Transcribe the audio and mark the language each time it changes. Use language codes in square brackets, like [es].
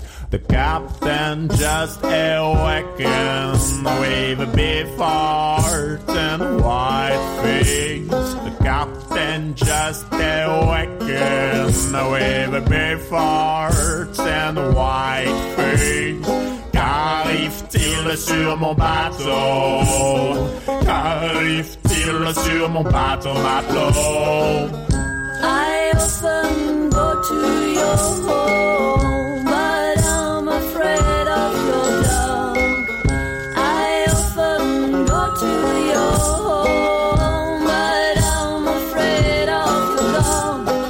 [en] The captain just awakened with a beef heart and white face. The captain just awakened with a beef heart and white face. [fr] Qu'arrive-t-il sur mon bateau? Qu'arrive-t-il sur mon bateau, matelot? [en] I often go to your home, but I'm afraid of your dog. I often go to your home, but I'm afraid of your dog.